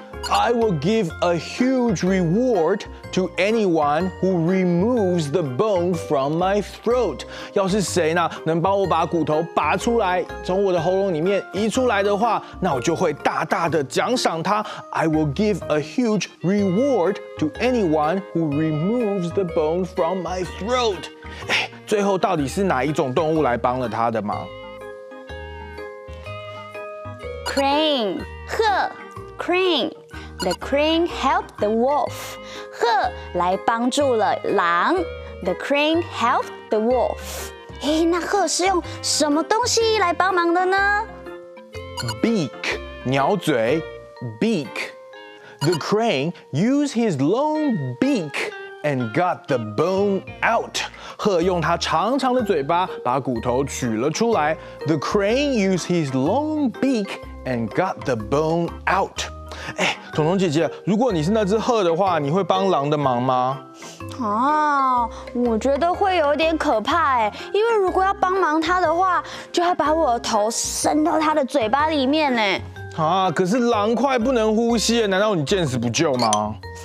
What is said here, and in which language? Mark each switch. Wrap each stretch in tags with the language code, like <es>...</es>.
<en>I will give a huge reward to anyone who removes the bone from my throat.</en> <zh>要是谁呢能帮我把骨头拔出来，从我的喉咙里面移出来的话，那我就会大大的奖赏他。</zh> <en>I will give a huge reward to anyone who removes the bone from my throat.</en> <zh>最后到底是哪一种动物来帮了他的忙</zh> <en>？Crane， 鹤 ，Crane。The crane helped the wolf.</en> <zh>鹤来帮助了狼。</zh> <en>The crane helped the wolf.</en> <zh>嘿，那鹤是用什么东西来帮忙的呢</zh> <en>？Beak， 鸟嘴 ，beak。 The crane used his long beak and got the bone out.</en> <zh>鹤用它长长的嘴巴把骨头取了出来。</zh> <en>The crane used his long beak and got the bone out.</en> <zh>哎，彤彤姐姐，如果你是那只鹤的话，你会帮狼的忙吗？啊，我觉得会有点可怕哎，因为如果要帮忙它的话，就要把我的头伸到它的嘴巴里面呢。啊！可是狼快不能呼吸了，难道你见死不救吗？</zh>